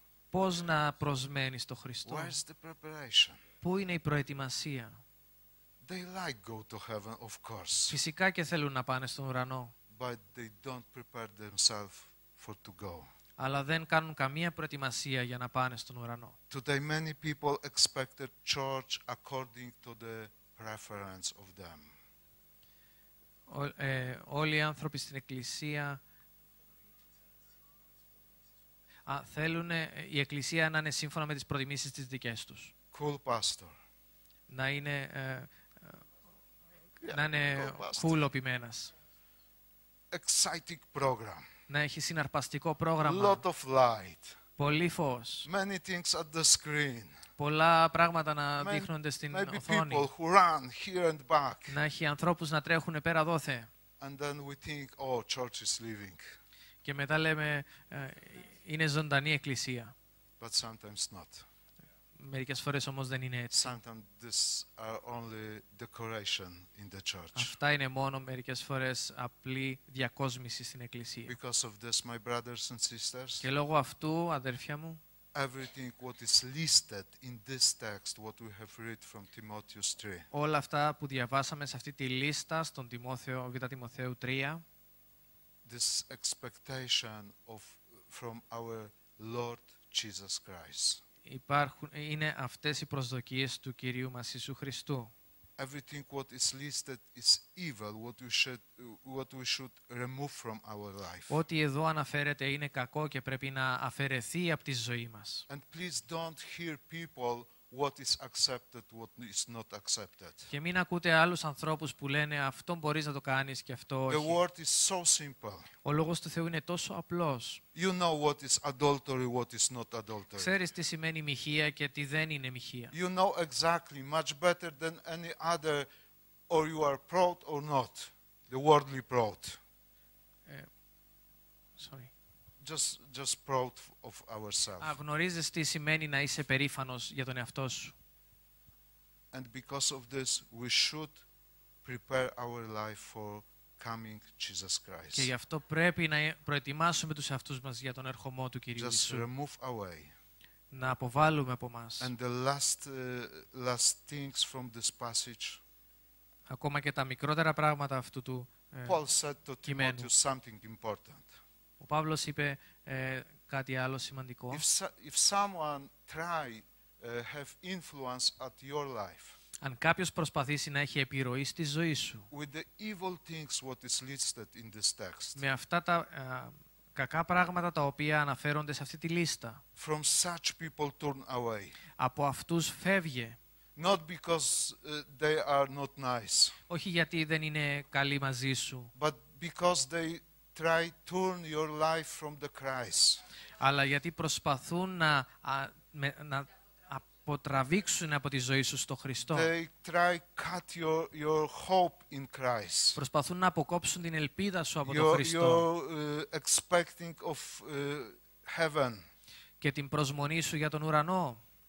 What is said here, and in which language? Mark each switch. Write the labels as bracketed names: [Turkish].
[Greek] πώς να προσμένεις το Χριστό? Πού είναι η προετοιμασία? [English] They like go to heaven, of course. [Greek] Φυσικά και θέλουν να πάνε στον ουρανό. [English] But they don't prepare themselves for to go. [Greek] Αλλά δεν κάνουν καμία προετοιμασία για να πάνε στον ουρανό. [English] Today many people expected church according to the preference of them. [Greek] Όλοι οι άνθρωποι στην εκκλησία θέλουν η εκκλησία να είναι σύμφωνα με τις προτιμήσεις της δικές τους. [English] Cool pastor. [Greek] Να είναι, yeah, να είναι [English] cool [Greek] ο ποιμένας. [English] Exciting program. [Greek] Να έχει συναρπαστικό πρόγραμμα. [English] Lot of light. [Greek] Πολύ φως. [English] Many things at the screen. [Greek] Πολλά πράγματα να δείχνονται στην [English] maybe [Greek] οθόνη. [English] People who run here and back. [Greek] Να έχει ανθρώπους να τρέχουν πέρα δόθε. [English] And then we think, oh, church is living. [Greek] Και μετά λέμε, είναι ζωντανή εκκλησία. [English] But sometimes not. [Greek] Μερικές φορές όμως δεν είναι έτσι. [English] Sometimes this are only decoration in the church. [Greek] Αυτά είναι μόνο μερικές φορές απλή διακόσμηση στην εκκλησία. [English] Because of this, my brothers and sisters, [Greek] και λόγω αυτού, αδέρφια μου, [English] everything what is listed in this text, what we have read from Timotheus 3. [Greek] Όλα αυτά που διαβάσαμε σε αυτή τη λίστα στον Τιμόθεο, Β' Τιμοθέου 3, [English] this expectation of from our Lord Jesus Christ. [Greek] Υπάρχουν, είναι αυτές οι προσδοκίες του Κυρίου μας Ιησού Χριστού. [English] Everything what is listed is evil, what we should remove from our life. [Greek] Ό,τι εδώ αναφέρεται είναι κακό και πρέπει να αφαιρεθεί από τη ζωή μας. [English] And please don't hear people what is accepted, what is not accepted. [Greek] Και μην ακούτε άλλους ανθρώπους που λένε αυτό μπορείς να το κάνεις και αυτό όχι. [English] The word is so simple. [Greek] Ο λόγος του Θεού είναι τόσο απλός. [English] You know what is adultery, what is not adultery. [Greek] Ξέρεις τι σημαίνει μοιχεία και τι δεν είναι μοιχεία. [English] You know exactly, much better than any other, or you are proud or not, the worldly proud. Sorry. Just proud of ourselves. [Greek] Αγνωρίζεις τι σημαίνει να είσαι περήφανος για τον εαυτό σου. [English] And because of this, we should prepare our life for coming Jesus Christ. [Greek] Και γι' αυτό πρέπει να προετοιμάσουμε τους εαυτούς μας για τον ερχομό του Κυρίου [English] Just [Greek] Ιησού. [English] Remove away. [Greek] Να αποβάλουμε από μας. [English] And the last things from this passage. [Greek] Ακόμα και τα μικρότερα πράγματα αυτού του [English] Paul said to Timothy something important. [Greek] Ο Παύλος είπε κάτι άλλο σημαντικό. [English] If someone try have influence at your life. [Greek] Αν κάποιος προσπαθήσει να έχει επιρροή στη ζωή σου. [English] With the evil things what is listed in this text. [Greek] Με αυτά τα κακά πράγματα τα οποία αναφέρονται σε αυτή τη λίστα. [English] From such people turn away. [Greek] Από αυτούς φεύγε. [English] Not because they are not nice. [Greek] Όχι γιατί δεν είναι καλοί μαζί σου. [English] But because they try turn your life from the Christ. [Greek] Αλλά γιατί προσπαθούν να αποτραβήξουν από τη ζωή σου στο Χριστό. [English] They try cut your hope in Christ. [Greek] Προσπαθούν να αποκόψουν την ελπίδα σου από τον Χριστό. [English] Expecting of heaven. [Greek] Και την προσμονή σου για τον ουρανό.